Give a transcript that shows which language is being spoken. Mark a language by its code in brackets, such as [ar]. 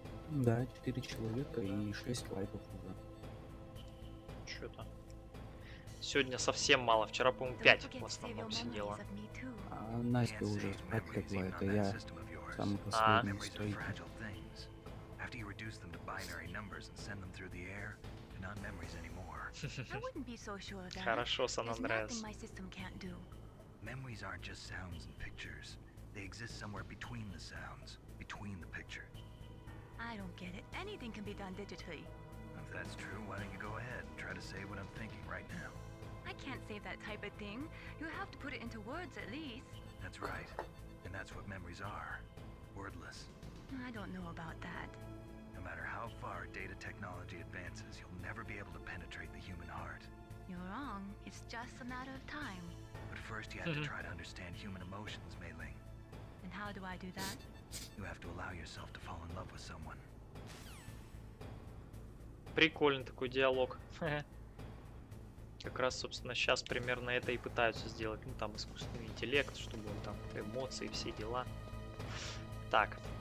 [ru] Да, 4 человека и 6 лайков уже. Чё-то. Сегодня совсем мало, вчера, по-моему, 5 в основном сидело. А Настя уже спать легла, это я самый последний стойкий. [en] After you reduce them to binary numbers and send them through the air, they're not memories anymore. I wouldn't be so sure of that. [ru] Хорошо, Сан Андреас. [en] There's nothing my system can't do. Memories aren't just sounds and pictures. They exist somewhere between the sounds, between the pictures. I don't get it. Anything can be done digitally. If that's true, why don't you go ahead and try to say what I'm thinking right now? I can't say that type of thing. You have to put it into words at least. That's right. And that's what memories are. Wordless. I don't know about that. No matter how far data technology advances, you'll never be able to penetrate the human heart. You're wrong. It's just a matter of time. But first you have to try to understand human emotions, Mei Ling. And how do I do that? You have to allow yourself to fall in love with someone. [ru] Прикольный такой диалог. Как раз, собственно, сейчас примерно это и пытаются сделать. Ну, там, искусственный интеллект, чтобы он там, эмоции, все дела. Так.